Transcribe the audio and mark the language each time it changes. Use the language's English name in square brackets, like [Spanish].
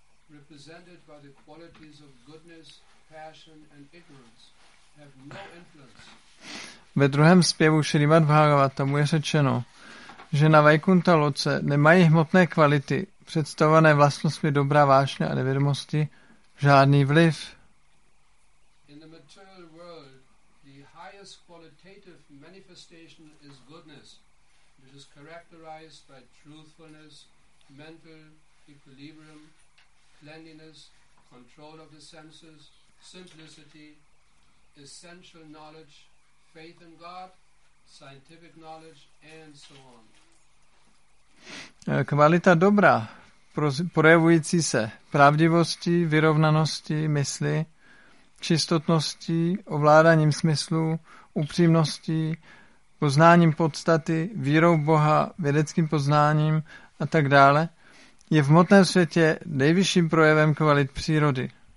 [English] Represented by the qualities of goodness, passion and ignorance have no influence. [Czech] Ve druhém zpěvu Srimad Bhagavatam je řečeno, že na Vaikuntha loce nemají hmotné kvality představované vlastnostmi dobrá vášně a nevědomosti žádný vliv. [English] In the material world the highest qualitative manifestation is goodness, which is characterized by truthfulness, mental equilibrium, cleanliness, control of the senses, simplicity, essential knowledge, faith in God, scientific knowledge, and so on. [Czech] Kvalita dobra, projevující se pravdivostí, vyrovnaností mysli, čistotností, ovládáním smyslu, upřímností, poznáním podstaty, vírou Boha, vědeckým poznáním a tak dále, je v hmotném světě nejvyšším projevem kvalit přírody.